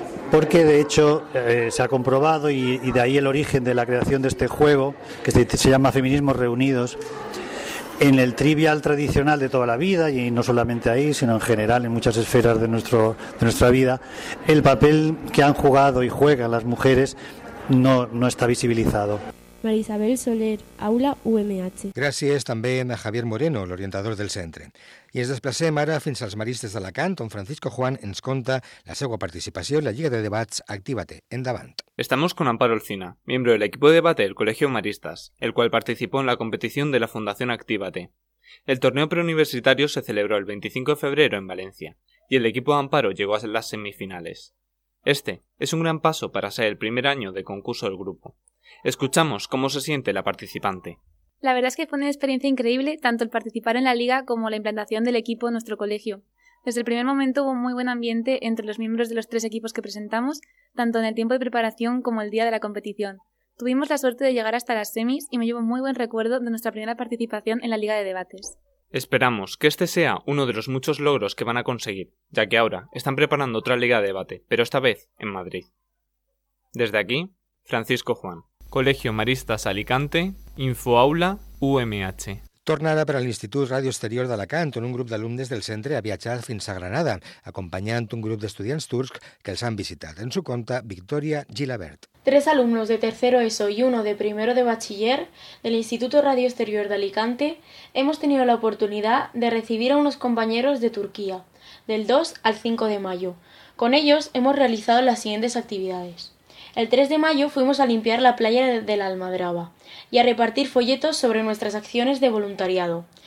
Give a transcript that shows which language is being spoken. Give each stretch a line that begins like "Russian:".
Spanish: Porque de hecho se ha comprobado, y de ahí el origen de la creación de este juego, que se llama Feminismos Reunidos, en el trivial tradicional de toda la vida, y no solamente ahí, sino en general en muchas esferas de nuestra vida, el papel que han jugado y juegan las mujeres no está visibilizado. María Isabel Soler, Aula UMH.
Catalan: Gràcies també a Javier Moreno, l'orientador del centre. I ens desplacem ara fins als Maristes d'Alacant, on Francisco Juan ens conta la seva participació en la Lliga de Debats Actívate. Endavant.
Spanish: Estamos con Amparo Alcina, miembro del equipo de debate del Colegio Maristas, el cual participó en la competición de la Fundación Actívate. El torneo preuniversitario se celebró el 25 de febrero en Valencia, y el equipo de Amparo llegó a las semifinales. Este es un gran paso para ser el primer año de concurso del grupo. Escuchamos cómo se siente la participante. La verdad es que fue una experiencia increíble tanto el participar en la liga como la implantación del equipo en nuestro colegio. Desde el primer momento hubo muy buen ambiente entre los miembros de los tres equipos que presentamos, tanto en el tiempo de preparación como el día de la competición. Tuvimos la suerte de llegar hasta las semis y me llevo muy buen recuerdo de nuestra primera participación en la Liga de Debates. Esperamos que este sea uno de los muchos logros que van a conseguir, ya que ahora están preparando otra Liga de Debate, pero esta vez en Madrid. Desde aquí, Francisco Juan. Colegio Maristas Alicante, InfoAula, UMH.
Catalan: Tornada per a l'Institut Ràdio Exterior d'Alacant, on un grup d'alumnes del centre ha viatjat fins a Granada, acompanyant un grup d'estudiants turcs que els han visitat. En su compte, Victoria Gilabert.
Spanish: Tres alumnos de tercero ESO y uno de primero de bachiller del Instituto Ràdio Exterior d'Alicante hemos tenido la oportunidad de recibir a unos compañeros de Turquía, del 2 al 5 de mayo. Con ellos hemos realizado las siguientes actividades. El 3 de mayo fuimos a limpiar la playa de la Almadraba y a repartir folletos sobre nuestras acciones de voluntariado.